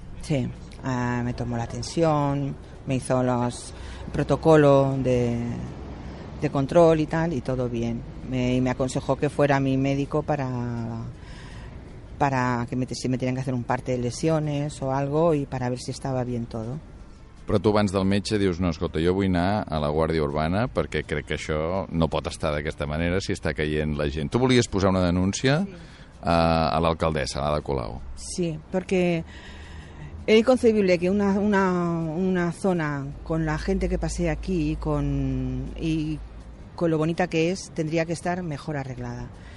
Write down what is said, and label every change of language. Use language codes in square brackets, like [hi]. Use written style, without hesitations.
[es] Sí, me tomó la tensión, me hizo los protocolos de control y tal y todo bien. Me aconsejó que fuera mi médico para que si me tenían que hacer un parte de lesiones o algo y para ver si estaba bien todo. [ca] Però tu abans del metge dius, no, escolta, jo vull anar a la Guàrdia Urbana perquè crec que això no pot estar d'aquesta manera si està caient la gent. Tu volies posar una denúncia a l'alcaldessa, a Ada Colau. [es] Sí, [ca] perquè és inconcebible [es] que una zona con la gente que pasea aquí y con lo bonita que es, tendría que estar mejor arreglada.